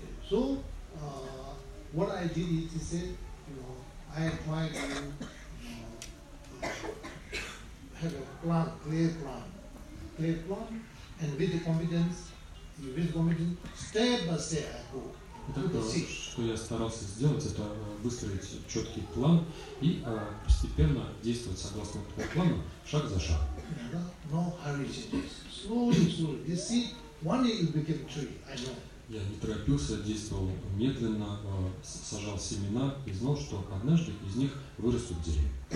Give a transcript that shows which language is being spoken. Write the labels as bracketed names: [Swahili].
[English] So, what I did is to say, you know, I applied to have a plan, clear plan, and with the confidence, step by step I go. [Russian] Это что я старался сделать, это выстроить четкий план и постепенно действовать согласно этому плану, шаг за шагом. [English] No hurry, slowly. You see, one day you became tree. I know. [Russian] Я не торопился, действовал медленно, сажал семена и знал, что однажды из них вырастут деревья.